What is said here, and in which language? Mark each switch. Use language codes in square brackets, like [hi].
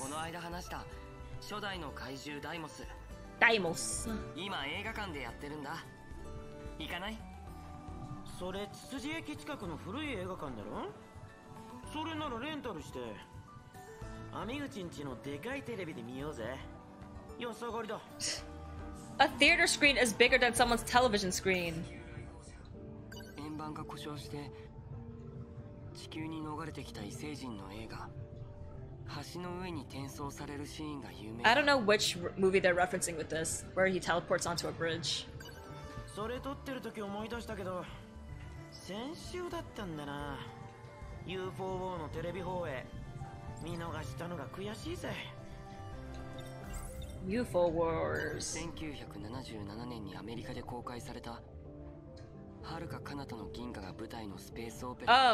[ja] この間話した初代の怪獣ダイモス。ダイモス。今映画館でやってるんだ。行かない？それ、ツツジ駅近くの古い映画館だろ？それならレンタルして。アミグチんちのでかいテレビで見ようぜ。よさがりだ。 [en] A theater screen is bigger than someone's television screen. [ja] 円盤が故障して、地球に逃れてきた異星人の映画。 [en] I don't know which movie they're referencing with this, where he teleports onto a bridge. [ja] それ撮ってる時思い出したけど、先週だったんだな。 U4O のテレビ放映、見逃したのが悔しいぜ。 UFO Wars。 1977年にアメリカで公開された、遥か彼方の銀河が舞台のスペースオペラ。